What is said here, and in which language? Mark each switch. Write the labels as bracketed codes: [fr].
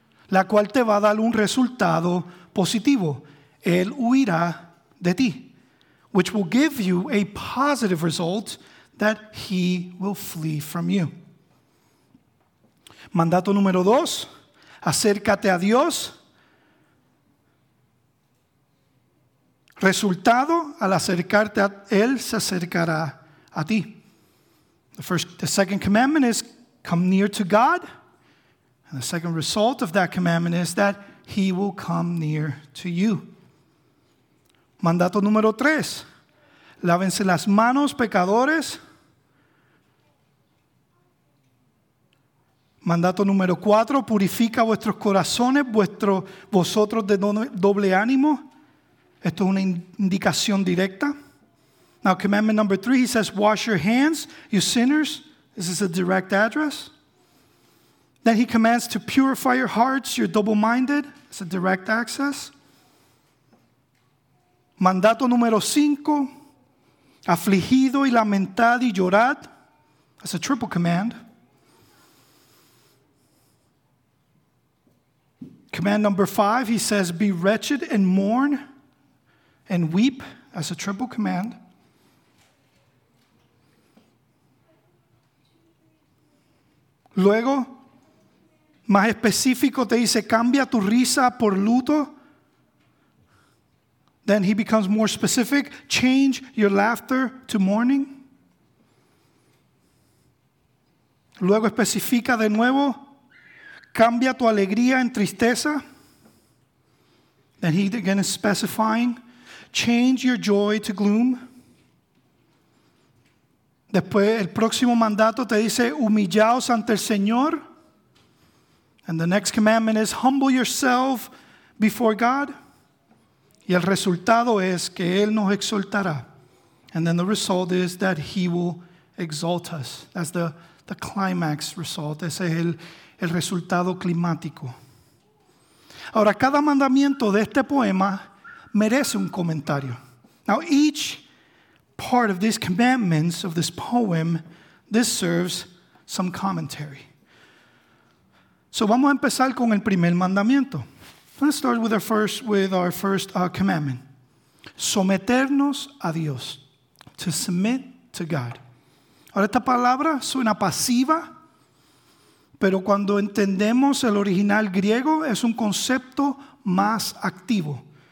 [es] La cual te va a dar un resultado positivo. Él huirá de ti. [en] Which will give you a positive result that he will flee from you. [es] Mandato número dos. Acércate a Dios. Resultado, al acercarte a Él, se acercará a ti. [en] The second commandment is come near to God. And the second result of that commandment is that he will come near to you. [es] Mandato número tres. Lávense las manos, pecadores. Mandato número cuatro. Purifica vuestros corazones, vosotros de doble ánimo. Esto es una indicación directa. [en] Now, commandment number three, he says, wash your hands, you sinners. This is a direct address. Then he commands to purify your hearts, you're double-minded. It's a direct access. [es] Mandato número cinco, afligido y lamentad y llorad. [en] That's a triple command. Command number five, he says, be wretched and mourn and weep. That's a triple command. [es] Luego, más específico, te dice, cambia tu risa por luto. [en] Then he becomes more specific, change your laughter to mourning. [es] Luego especifica de nuevo, cambia tu alegría en tristeza. [en] Then he again is specifying, change your joy to gloom. [es] Después, el próximo mandato te dice, humillaos ante el Señor. [en] And the next commandment is, humble yourself before God. [es] Y el resultado es que Él nos exaltará. [en] And then the result is that He will exalt us. That's the climax result. [es] Ese es el resultado climático. Ahora, cada mandamiento de este poema merece un comentario. [en] Now, each part of these commandments of this poem deserves some commentary. [es] So vamos a empezar con el primer mandamiento. [en] Let's start with our first commandment. [es] Someternos a Dios. [en] To submit to God. [es] Ahora, esta palabra suena pasiva, pero cuando entendemos el original griego, es un concepto más activo.